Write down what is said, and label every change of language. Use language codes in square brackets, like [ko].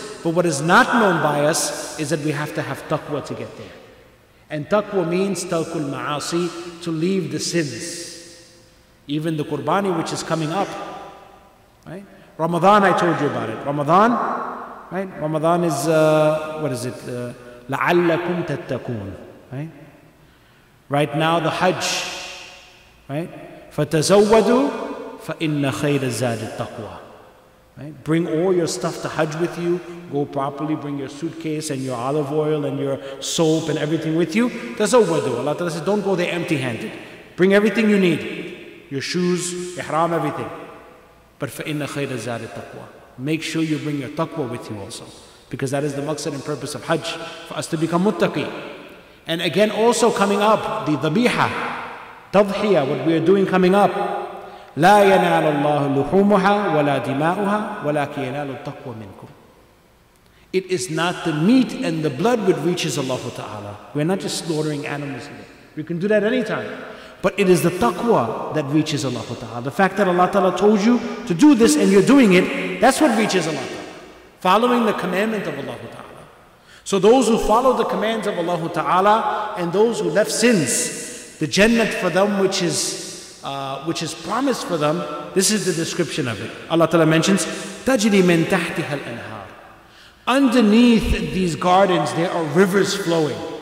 [en] But what is not known by us is that we have to have taqwa to get there. And taqwa means [ar] talkul ma'asi, [en] to leave the sins. Even the qurbani which is coming up, right? Ramadan, I told you about it. Ramadan, right? Ramadan is, what is it? [ar] لَعَلَّكُمْ تَتَّقُونَ, [en] right? Right now, the Hajj, right? [ar] فَتَزَوَّدُوا فَإِنَّ خَيْرَ زَادِ التَّقْوَى, [en] right? Bring all your stuff to Hajj with you. Go properly, bring your suitcase and your olive oil and your soap and everything with you. [ar] تَزَوَّدُوا. [en] Allah Ta'ala says, don't go there empty-handed. Bring everything you need. Your shoes, ihram, everything. But [ar] فَإِنَّ خَيْرَ زَادِ التَّقْوَى. [en] Make sure you bring your taqwa with you also. Because that is the maqsad and purpose of Hajj, for us to become muttaqi. And again, also coming up, the dhabiha, tadhiya, what we are doing coming up. [ar] لَا يَنَالُ اللَّهُ لُحُومُهَا وَلَا دِمَاؤُهَا وَلَاكِ يَنَالُ التَّقْوَى مِنْكُمْ. [en] It is not the meat and the blood which reaches Allah Ta'ala. We're not just slaughtering animals here. We can do that anytime. But it is the taqwa that reaches Allah Ta'ala. The fact that Allah Ta'ala told you to do this and you're doing it, that's what reaches Allah Ta'ala. Following the commandment of Allah Ta'ala. So those who follow the commands of Allah Ta'ala and those who left sins, the jannah for them which is promised for them, this is the description of it. Allah Ta'ala mentions, [ar] تَجْرِي مِنْ تَحْتِهَا الْأَنْهَارِ. [en] Underneath these gardens, there are rivers flowing.